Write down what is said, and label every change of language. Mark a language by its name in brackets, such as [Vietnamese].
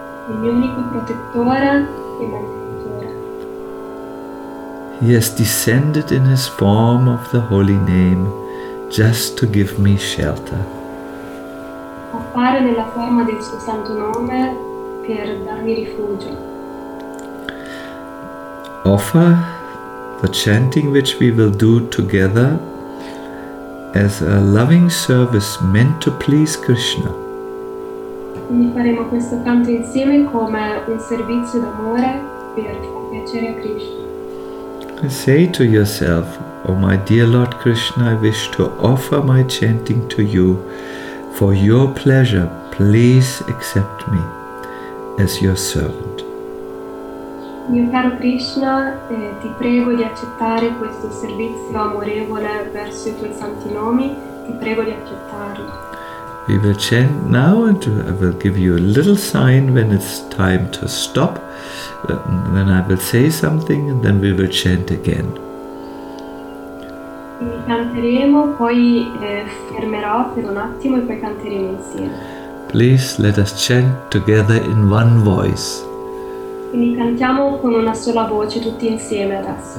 [Italian] Il mio unico protettore e mantenitore. [English] He has descended in his form of the holy name just to give me shelter. [Italian] Appare nella forma del suo santo nome per darmi rifugio. [English] Offer the chanting which we will do together as a loving service meant to please Krishna. [Italian] Quindi faremo questo canto insieme come un servizio d'amore per far piacere a Krishna. [English] Say to yourself, oh my dear Lord Krishna, I wish to offer my chanting to you for your pleasure. Please accept me as your servant. [Italian] Mio caro Krishna, ti prego di accettare questo servizio amorevole verso i tuoi santi nomi. Ti prego di accettarlo. [English] We will chant now and I will give you a little sign when it's time to stop. Then I will say something and then we will chant again. [Italian] Quindi canteremo, poi fermerò per un attimo e poi canteremo insieme. [English] Please let us chant together in one voice. [Italian] Quindi cantiamo con una sola voce tutti insieme adesso.